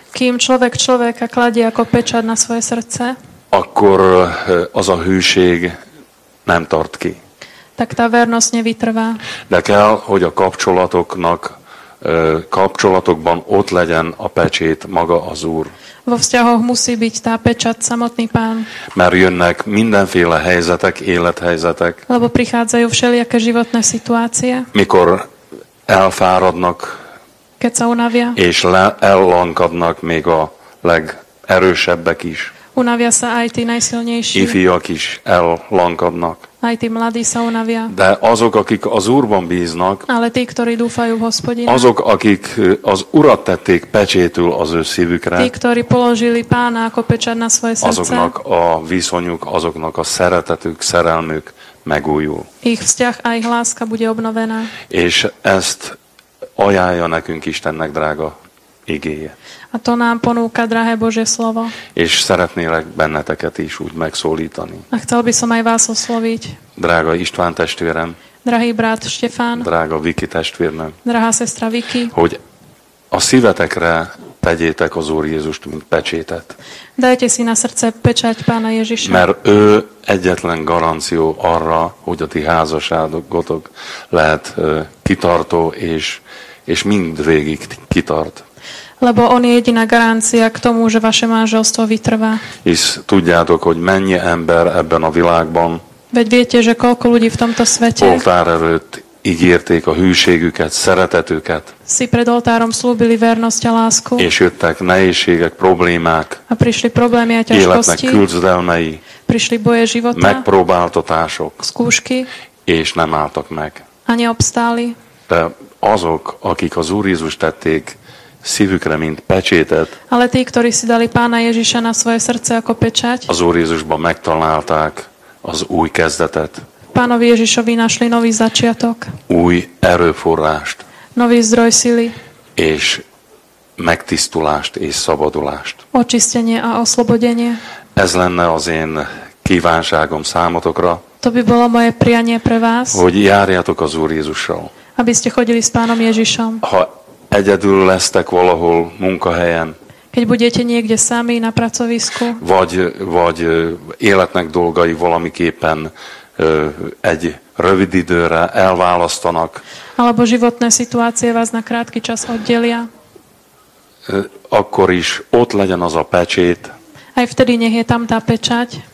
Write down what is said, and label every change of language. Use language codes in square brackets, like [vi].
[sk] kým človek človeka kladie ako pečať na svoje srdce, [hu] akkor az a hűség nem tart ki. [sk] Tak tá vernosť nevytrvá. [hu] De kell, hogy a kapcsolatoknak, kapcsolatokban ott legyen a pecsét maga az Úr. [sk] Vo vzťahoch musí byť tá pečat samotný Pán. [hu] Mert jönnek mindenféle helyzetek, élethelyzetek. [sk] Lebo prichádzajú všelijaké životné situácie. [hu] Mikor elfáradnak. [sk] Keď sa unavia. [hu] És ellankadnak még a legerősebbek is. [sk] Unavia sa aj tí najsilnejší. [hu] Ifjak is ellankadnak. [sk] Aj tí mladí sa unavia. [hu] De azok, akik az Úrban bíznak, [sk] ale tí, ktorí dúfajú v Hospodina, [hu] azok, akik az Urat tették pečétul az ő szívükre, [sk] tí, ktorí položili Pána ako pečat na svoje srdce, [hu] azoknak a viszonyuk, azoknak a szeretetük, szerelmük megújul. [sk] Ich vzťah a ich láska bude obnovená. [hu] És ezt ajánlja nekünk Istennek drága igéje. [sk] A to nám ponúka drahé Božie slovo. [hu] És szeretnélek benneteket is úgy megszólítani. [sk] A chcel by som aj vás osloviť. [hu] Drága István testvérem. [sk] Drahý brat Štefán. [hu] Drága Viki testvérem. [sk] Drahá sestra Viki. [hu] Hogy a szívetekre tegyétek az Úr Jézust, mint pecsétet. [sk] Dajte si na srdce pečať Pána Ježiša. [hu] Mert ő egyetlen garanció arra, hogy a ti házasságotok lehet kitartó, és mindvégig kitart. [sk] Lebo on je jediná garancia k tomu, že vaše manželstvo vytrvá. [hu] És tudjátok, hogy mennyi ember ebben a világban. [sk] Veď viete, že koľko ľudí v tomto svete. [hu] Oltár előtt ígérték a hűségüket, szeretetüket. [sk] Si pred oltárom slúbili vernosť a lásku. [hu] És jöttek nehézségek, problémák. [sk] A prišli problémy a ťažkosti. [hu] Életnek küzdelmei. [sk] Prišli boje života. [hu] Megpróbáltatások. [sk] Skúšky. [hu] És nem álltak meg. [sk] A neobstáli. [hu] De azok, akik az Úr Jézus tették szívükre, mint pecsétet. [sk] Ale tí, ktorí si dali Pána Ježiša na svoje srdce ako pečať. [hu] Az Úr Jézusban megtalálták az új kezdetet. [sk] Pánovi Ježišovi našli nový začiatok. [hu] Új erőforrást. [sk] Nový zdroj sily. [hu] És megtisztulást és szabadulást. [sk] Očistenie a oslobodenie. [hu] Ez lenne az én kívánságom számotokra. [sk] To by bolo moje prianie pre vás. [hu] Hogy járjatok az Úr Jézussal. [sk] Aby ste chodili s Pánom Ježišom. [hu] Ha egyedül lesztek valahol munkahelyen. [sk] Keď budete niekde sami na pracovisku. [hu] Vagy életnek dolgai valamiképpen egy rövid időre elválasztanak. [sk] Alebo životné situácie vás na krátky čas oddelia. [hu] Akkor is ott legyen az a pečét. [sk] Aj vtedy nech je tam tá pečať.